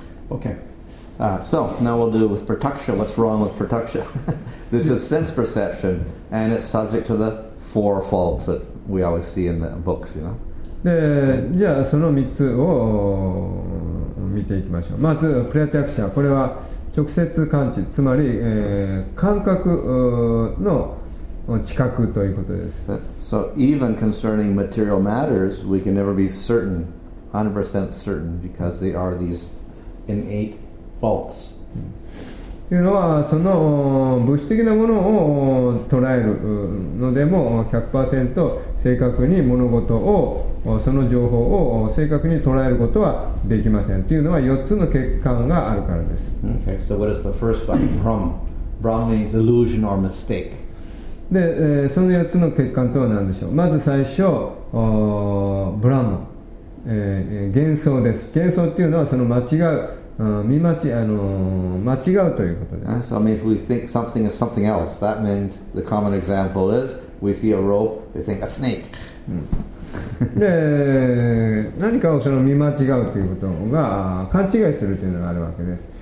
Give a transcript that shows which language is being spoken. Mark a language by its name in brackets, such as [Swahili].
[English] OK、So now we'll do with pratyaksha. What's wrong with pratyaksha? This is sense perception and it's subject to the four faults that we always see in the books, you know? [Japanese] でじゃあその3つを見ていきましょう。まずプラティアクシャ、これは直接感知、つまり、感覚の知覚ということです。 [English] So even concerning material matters we can never be certain 100% certain because they are these innate faults、 [Japanese] というのはその物質的なものを捉えるのでも 100% 正確に物事をその情報を正確に捉えることはできませんというのは4つの欠陥があるからです。 [English] Okay, so what is the first one? Brahm. Brahm means illusion or mistake. [Japanese] で、その4つの欠陥とは何でしょう。まず最初ブラム、幻想です。幻想というのはその間違う、間違うということです。 [English] So I mean, if we think something is something else, that means the common example is we see a rope, we think a snake. [Japanese] で何かをその見間違うということが勘違いするというのがあるわけです。